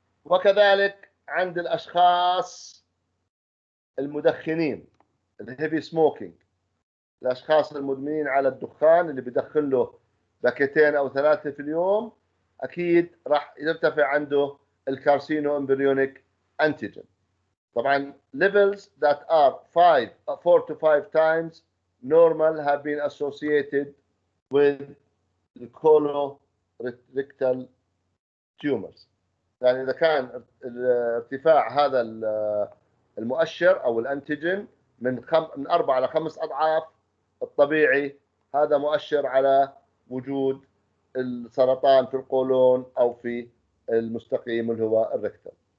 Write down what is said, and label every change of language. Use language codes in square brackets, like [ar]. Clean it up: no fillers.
[ar] وكذلك عند الأشخاص المدخنين [en] heavy smoking، [ar] الأشخاص المدمنين على الدخان اللي بيدخن له باكيتين أو ثلاثة في اليوم أكيد راح يرتفع عنده الكارسينو إمبريونيك أنتيجين. طبعاً [en] levels that are 4 to 5 times normal have been associated with colorectal tumors. [ar] يعني إذا كان ارتفاع هذا المؤشر أو الأنتيجين من 4 إلى 5 أضعاف الطبيعي، هذا مؤشر على وجود السرطان في القولون أو في المستقيم اللي هو الركتم.